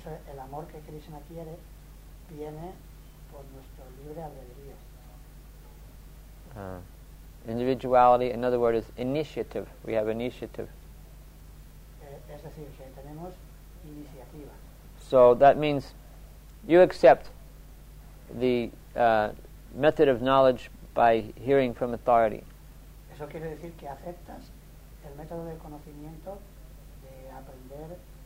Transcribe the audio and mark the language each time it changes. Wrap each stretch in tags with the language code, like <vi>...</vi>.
<es>El amor que Krishna quiere viene por nuestro libre albedrío.</es> <en>Individuality, in other words, is initiative. We have initiative.</en> <es>Es decir, que tenemos iniciativa.</es> <en>So that means you accept the method of knowledge by hearing from authority.</en> <es>Eso quiere decir que aceptas el método de conocimiento de aprender.</es>